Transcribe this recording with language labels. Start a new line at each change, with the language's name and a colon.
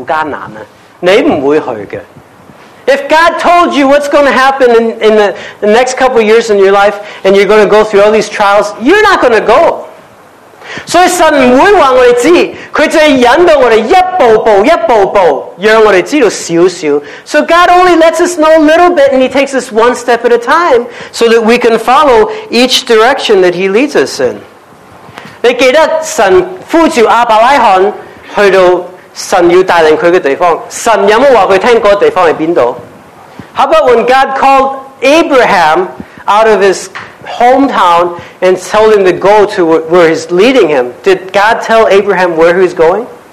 Chinese: 如果神一早告诉你,前面的路你要经过这么多艰苦艰难,你不会去的。
English: If God told you what's going to happen in the next couple of years in your life, and you're going to go through all these trials, you're not going to go.
Chinese: 所以神不会告诉我们,祂只是引导我们一步步,一步步,让我们知道少少。
English: So God only lets us know a little bit, and he takes us one step at a time, so that we can follow each direction that he leads us in.
Chinese: 你记得神呼召亚伯拉罕去到神要带领他的地方,神有没有告诉他那个地方是哪里?
English: How about when God called Abraham out of his hometown and told him to go to where he's leading him. Did God tell Abraham where he was going?